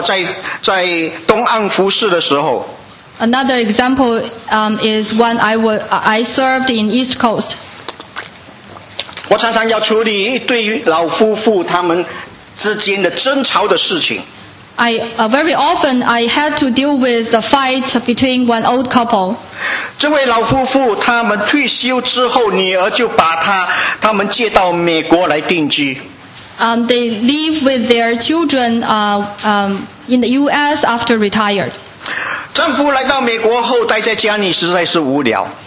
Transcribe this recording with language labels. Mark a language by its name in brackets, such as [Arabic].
[Chinese] 另外一个例子是在当我在东岸服侍的时候。 [English] Another example is when I served in East Coast. [Chinese] 我常常要处理一对老夫妇他们之间的争吵的事情。 [English] Very often I had to deal with the fight between one old couple. [Chinese] 这位老夫妇他们退休之后女儿就把他们接到美国来定居。 [English] They live with their children in the US after retired. [Chinese] 丈夫来到美国后待在家里实在是无聊。